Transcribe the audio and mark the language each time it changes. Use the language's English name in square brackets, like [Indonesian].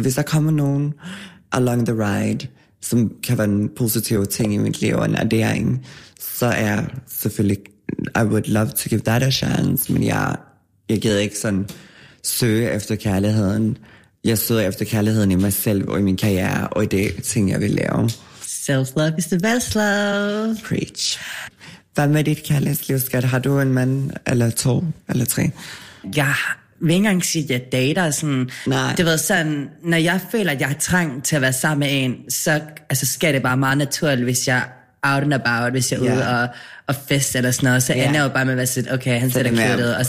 [Danish] Hvis der kommer nogen [English] along the ride, [Danish] som kan være en positiv ting i mit liv og en addering, så er jeg selvfølgelig, [English] I would love to give that a chance, [Danish] men jeg gider ikke sådan søge efter kærligheden. Jeg søger efter kærligheden i mig selv og i min karriere og i det ting, jeg vil lave. [English] Self-love is the best love. Preach. [Danish] Hvad med dit kærlighedsliv, skat? Har du en mand, eller to, eller tre? Jeg vil ikke engang sige, at jeg dater. Sådan. Nej. Det var sådan, når jeg føler, at jeg har trængt til at være sammen med en, så altså, sker det bare meget naturligt, hvis jeg [English] out and about, [Danish] hvis jeg er ude og fest eller sådan noget, så ender jeg jo bare med at være sådan, okay, han sætter kødet ud, og